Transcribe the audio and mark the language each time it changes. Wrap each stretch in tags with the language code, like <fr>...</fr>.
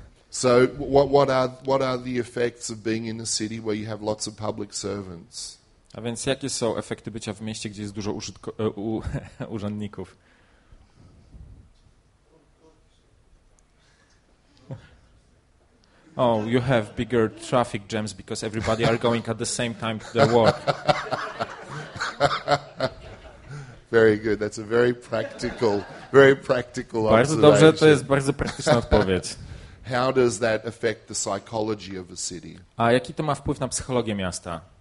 <en>So what are the effects of being in a city where you have lots of public servants?</en> <pl>A więc jakie są efekty bycia w mieście, gdzie jest dużo urzędników?</pl> <en>Oh, you have bigger traffic jams because everybody are going at the same time to their work. Very good. That's a very practical</en> <pl>bardzo</pl> <en>observation.</en> <pl>Dobrze, to jest bardzo praktyczna odpowiedź.</pl> <en>How does that affect the psychology of a city?</en> <pl>A jaki to ma wpływ na psychologię miasta?</pl>